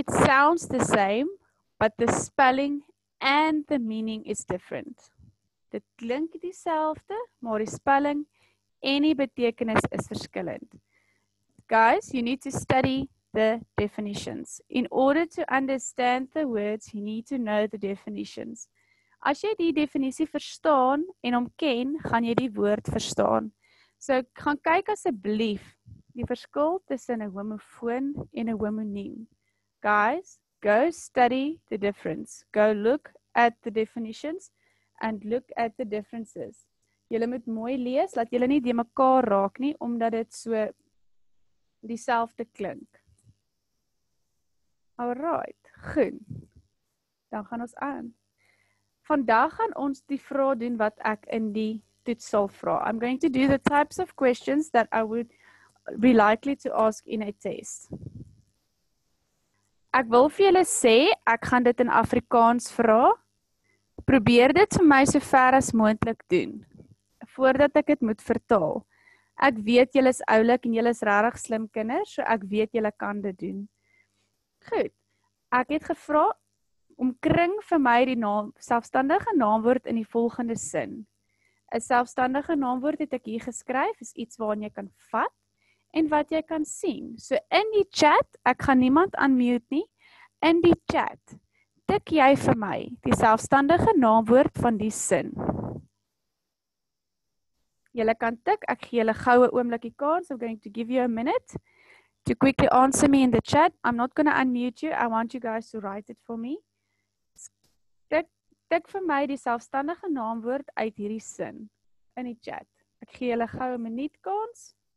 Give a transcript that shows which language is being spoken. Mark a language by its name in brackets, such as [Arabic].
[English] It sounds the same, but the spelling and the meaning is different. [Afrikaans] Dit klink dieselfde, maar die spelling en die betekenis is verskillend. [English] Guys, you need to study the definitions. In order to understand the words, you need to know the definitions. [Afrikaans] As jy die definisie verstaan en hom ken, gaan jy die woord verstaan. So, gaan kyk asseblief die verskil tussen 'n homofoon en 'n homoniem. [English] Guys, go study the difference. Go look at the definitions and look at the differences. [Afrikaans] Julle moet mooi lees, laat julle nie die mekaar raak nie, omdat dit so dieselfde klink. Alright, goed. Dan gaan ons aan. Vandag gaan ons die vraag doen wat ek in die toets sal vra. [English] I'm going to do the types of questions that I would be likely to ask in a test. [Afrikaans] Ek wil vir julle sê, ek gaan dit in Afrikaans vra. Probeer dit vir my so ver as moontlik doen, voordat ek dit moet vertaal. Ek weet julle is oulik en julle is regtig slim kinders, so ek weet julle kan dit doen. Goed, ek het gevra, omkring vir my die naam, selfstandige naamwoord in die volgende sin. 'N selfstandige naamwoord het ek hier geskryf, is iets waarin jy kan vat. En wat jy kan sien, so in die chat, ek gaan niemand unmute nie, in die chat, tik jy vir my die selfstandige naamwoord van die sin. Julle kan tik, ek gee julle gou 'n oomblikie kans, [English] I'm going to give you a minute to quickly answer me in the chat. I'm not going to unmute you, I want you guys to write it for me. [Afrikaans] Tik vir my die selfstandige naamwoord uit hierdie sin in die chat. Ek gee julle gou 'n minuut kans.